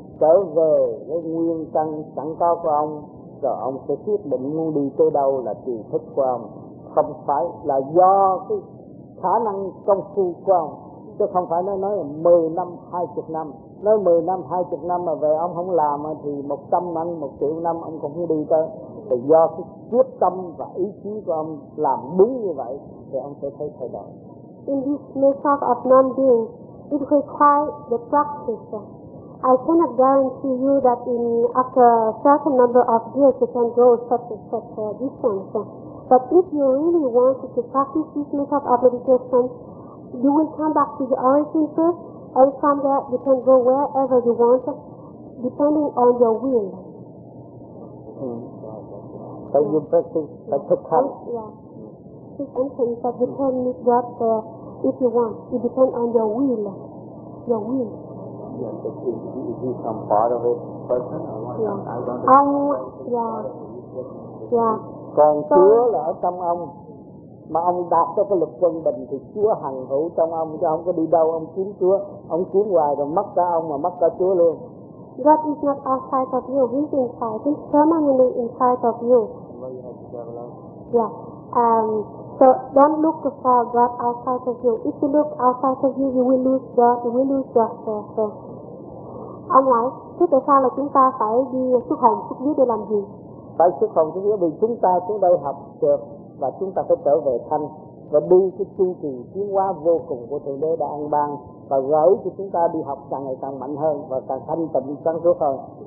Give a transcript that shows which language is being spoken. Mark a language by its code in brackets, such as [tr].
[vi] trở về với nguyên căn sẵn có của ông, rồi ông sẽ quyết định muốn đi tới đâu là tùy thích của ông, không phải là do cái khả năng công phu của ông. Chứ không phải nói 10 năm, 20 năm. Nói 10 năm, 20 năm mà về ông không làm thì 100 năm, 1 triệu năm ông không đi tới. Thì do cái quyết tâm và ý chí của ông làm đúng như vậy thì ông sẽ thấy thay đổi. [en] In this method of non-being, it requires the practice. I cannot guarantee you that in after a certain number of years you can go such a distance. But if you really want to practice this method of meditation, you will come back to the origin first, and from there you can go wherever you want, depending on your will. Mm. So you practice, like, to come. Yeah. This answer is that you can meet God if you want. It depends on your will. Your will. Yeah, but is he some part of it? Person? I don't know. [vi] Yeah. Còn Chúa là ở trong ông. Mà ông đạt cho cái luật quân bình thì Chúa hằng hữu trong ông, chứ không có đi đâu ông kiếm Chúa. Ông kiếm hoài rồi mất cả ông mà mất cả Chúa luôn. [en] God is not outside of you, he's inside. He's permanently inside of you. So don't look for God outside of you. If you look outside of you, you will lose God, you will lose yourself. [vi] So, ông nói, thế tại sao là chúng ta phải đi xuất hành xuất dưới để làm gì? Phải xuất hành xuất dưới vì chúng ta xuống đây học trượt và chúng ta phải trở về thanh và đi cái chương trình tiến hóa vô cùng của Thượng Đế đã ăn ban và gửi cho chúng ta đi học càng ngày càng mạnh hơn và càng thanh tịnh sáng suốt hơn.